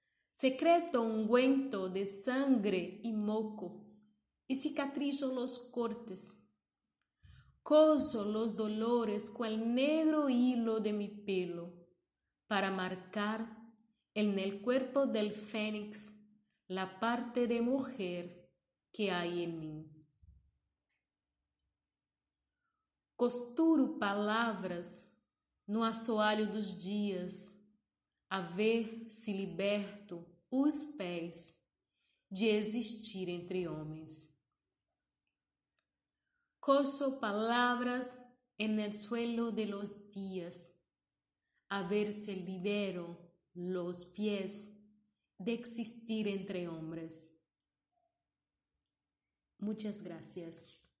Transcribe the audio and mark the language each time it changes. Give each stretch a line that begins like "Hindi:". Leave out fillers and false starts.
Spanish: Secreto ungüento de sangre y moco, y cicatrizo los cortes. Coso los dolores con el negro hilo de mi pelo, para marcar en el cuerpo del fénix la parte de mujer que hay en mí.
Portuguese: Costuro palavras no assoalho dos dias, a ver se liberto os pés de existir entre homens.
Spanish: Coso palavras en el suelo de los días, a ver se libero los pies de existir entre hombres. Muchas gracias.